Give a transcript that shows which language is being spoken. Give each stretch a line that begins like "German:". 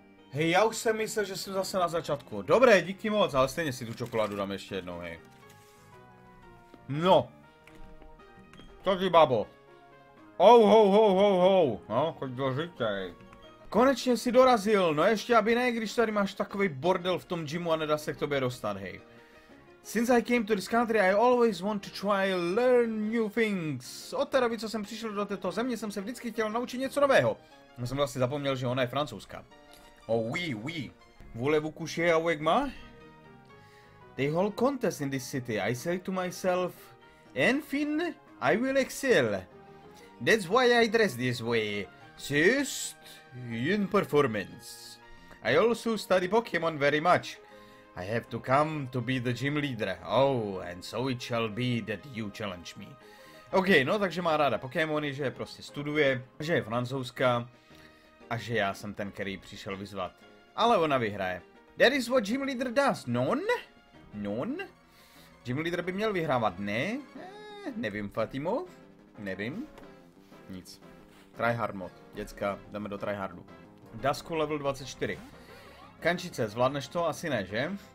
Czech: Hej, já už jsem myslel, že jsem zase na začátku. Dobré, díky moc, ale stejně si tu čokoládu dám ještě jednou, hej. No. Co ty, babo? Oh, ho, ho, ho, ho. No, choď do žitej. Konečně si dorazil, no ještě aby ne, když tady máš takový bordel v tom gymu a nedá se k tobě dostat, hej.
English: Since I came to this country, I always want to try learn new things.
Czech: Od té doby, co jsem přišel do této země, jsem se vždycky chtěl naučit něco nového. Já jsem vlastně zapomněl, že ona je francouzská.
French: Oh, oui, oui. Voulez-vous coucher avec moi?
English: They hold contests in this city. I say to myself,
French: enfin,
English: I will excel. That's why I dress this way. Just in performance. I also study Pokémon very much. I have to come to be the gym leader. Oh, and so it shall be that you challenge me.
Czech: Ok, no takže má ráda Pokémony, že prostě studuje, že je francouzská a že já jsem ten, který přišel vyzvat. Ale ona vyhraje.
English: That is what gym leader does, non?
French: Non?
Czech: Gym leader by měl vyhrávat, ne? Nevím, Fatimo. Nevím. Nic. Tryhard mod. Děcka, jdeme do tryhardu. Dasku level 24. Kančice, zvládneš to? Asi ne, že?